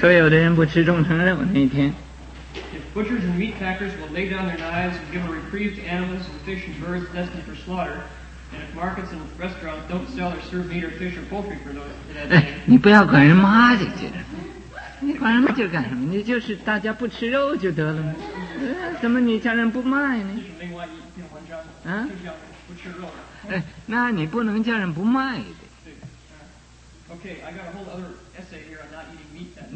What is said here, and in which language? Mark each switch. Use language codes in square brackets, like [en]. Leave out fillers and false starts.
[zh] 所有的人不吃众生肉那一天 [en] If butchers and meat packers will lay down their knives and give a reprieve to animals and fish and birds destined for slaughter and if markets and restaurants don't sell or serve meat or fish or poultry for those that day [zh] 你不要管人骂这些人你管人骂就干什么你就是大家不吃肉就得了怎么你家人不骂呢这是另外一篇文章啊不吃肉哎，那你不能叫人不卖的。对。 [en] OK, I got a whole other essay here on not eating meat.